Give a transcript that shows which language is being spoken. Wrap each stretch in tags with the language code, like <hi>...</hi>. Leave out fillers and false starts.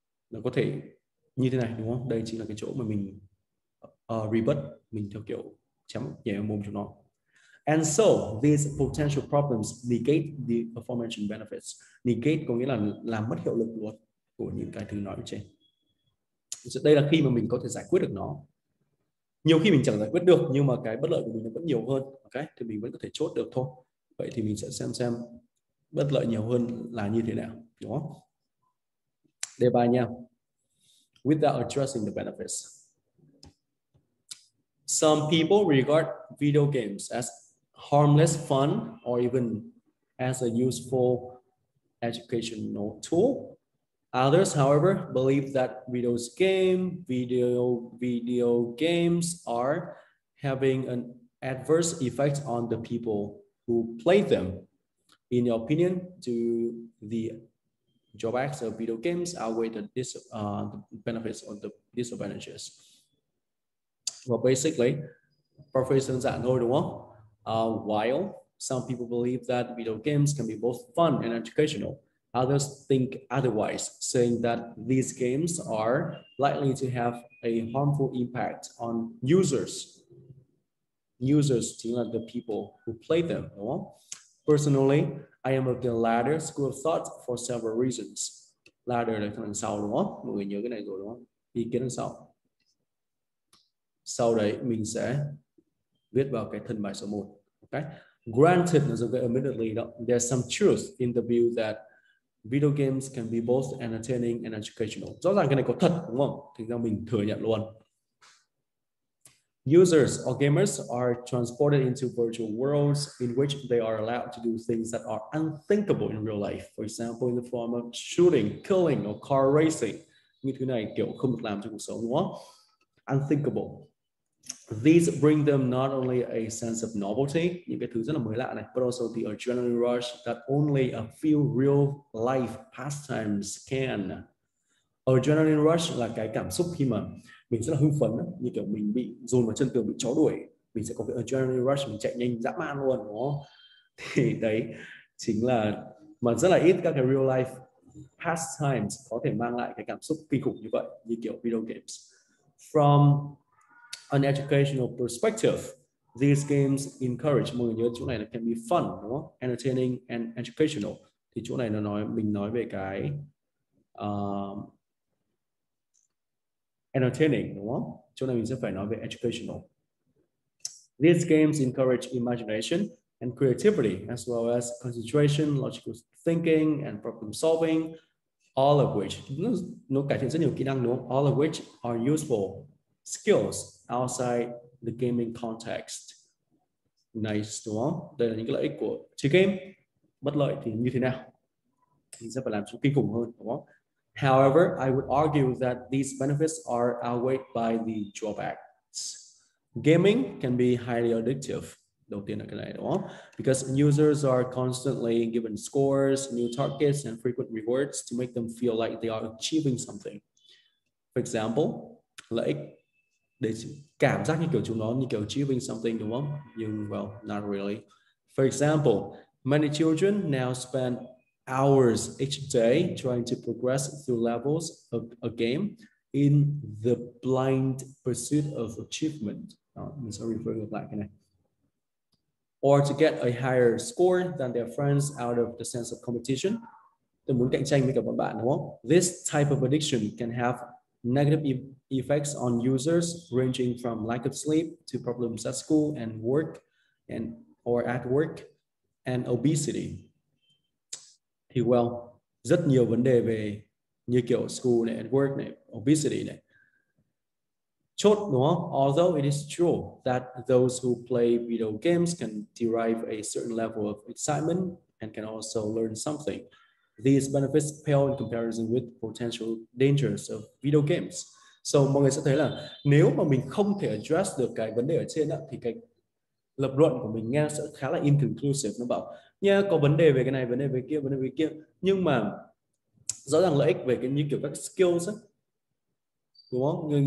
<vi>Nó có thể như thế này, đúng không? Đây chính là cái chỗ mà mình rebut, mình theo kiểu chấm nhẹ mồm cho nó.</vi> <en>And so, these potential problems negate the aforementioned benefits.</en> <vi>Negate có nghĩa là làm mất hiệu lực luôn của những cái thứ nói trên. So đây là khi mà mình có thể giải quyết được nó. Nhiều khi mình chẳng giải quyết được, nhưng mà cái bất lợi của mình vẫn nhiều hơn. Ok, thì mình vẫn có thể chốt được thôi. Vậy thì mình sẽ xem bất lợi nhiều hơn là như thế nào. Đúng không? Đề bài nha.</vi> <en>Without addressing the benefits. Some people regard video games as harmless fun or even as a useful educational tool. Others, however, believe that video games are having an adverse effect on the people who play them. In your opinion, do the drawbacks of video games outweigh the benefits or the disadvantages? Well, basically, professor</en> <vi>đơn giản thôi, đúng không?</vi> <en>While some people believe that video games can be both fun and educational, others think otherwise, saying that these games are likely to have a harmful impact on users. Users,</en> <vi>chính là</vi> <en>the people who play them,</en> <vi>đúng không?</vi> <en>Personally, I am of the latter school of thought for several reasons.</en> <vi>Latter là phần sau, đúng không? Mọi người nhớ cái này rồi, đúng không? Ý kiến sau. Sau đấy mình sẽ viết vào cái thân bài số 1.</vi> <en>Okay? Granted, admittedly, there's some truth in the view that video games can be both entertaining and educational.</en> <vi>Rõ ràng cái này có thật, đúng không? Thực ra mình thừa nhận luôn.</vi> <en>Users or gamers are transported into virtual worlds in which they are allowed to do things that are unthinkable in real life. For example, in the form of shooting, killing, or car racing.</en> <vi>Những thứ này kiểu không được làm trong cuộc sống, đúng không?</vi> <en>Unthinkable. These bring them not only a sense of novelty,</en> <vi>những cái thứ rất là mới lạ này,</vi> <en>but also the adrenaline rush that only a few real life pastimes can.</en> <vi>Adrenaline rush là cái cảm xúc khi mà mình rất là hưng phấn, như kiểu mình bị dồn vào chân tường, bị chó đuổi, mình sẽ có cái adrenaline rush, mình chạy nhanh dã man luôn, đúng không? Thì đấy chính là mà rất là ít các cái</vi> <en>real life pastimes</en> <vi>có thể mang lại cái cảm xúc kinh khủng như vậy, như kiểu video games.</vi> <en>From an educational perspective, these games encourage,</en> <vi>mọi người nhớ chỗ này là</vi> <en>can be fun,</en> <vi>đúng không?</vi> <en>Entertaining and educational.</en> <vi>Thì chỗ này nó nói mình nói về cái entertaining, đúng không? Chỗ này mình sẽ phải nói về educational.</vi> <en>These games encourage imagination and creativity, as well as concentration, logical thinking, and problem solving. All of which,</en> <vi>nó cải thiện rất nhiều kỹ năng, đúng không?</vi> <en>All of which are useful skills outside the gaming context. Nice,</en> <vi>đúng không? Đây là những cái lợi ích của chơi game. Bất lợi thì như thế nào? Thì sẽ phải làm cho kinh khủng hơn, đúng không?</vi> <en>However, I would argue that these benefits are outweighed by the drawbacks. Gaming can be highly addictive.</en> <vi>Đầu tiên là cái này, đúng không?</vi> <en>Because users are constantly given scores, new targets, and frequent rewards to make them feel like they are achieving something. For example,</en> <vi>lợi ích để cảm giác như kiểu chúng nó như kiểu</vi> <en>achieving something,</en> <vi>đúng không? Nhưng,</vi> <en>well, not really. For example, many children now spend hours each day trying to progress through levels of a game in the blind pursuit of achievement. I'm sorry, referring to black, can I? Or to get a higher score than their friends out of the sense of competition.</en> <vi>Tôi muốn cạnh tranh với cả bọn bạn, đúng không?</vi> <en>This type of addiction can have negative effects on users ranging from lack of sleep to problems at school and work and or at work and obesity.</en> <vi>Thì well, rất nhiều vấn đề về như kiểu school này,</vi> <en>at work</en> <vi>này, obesity này. Chốt đúng không?</vi> <en>Although it is true that those who play video games can derive a certain level of excitement and can also learn something, these benefits pale in comparison with potential dangers of video games.</en> <vi>So mọi người sẽ thấy là nếu mà mình không thể address được cái vấn đề ở trên đó, thì cái lập luận của mình nghe sẽ khá là inconclusive. Nó bảo nha, có vấn đề về cái này, vấn đề về kia, nhưng mà rõ ràng lợi ích về cái như kiểu các skills á, đúng không?</vi>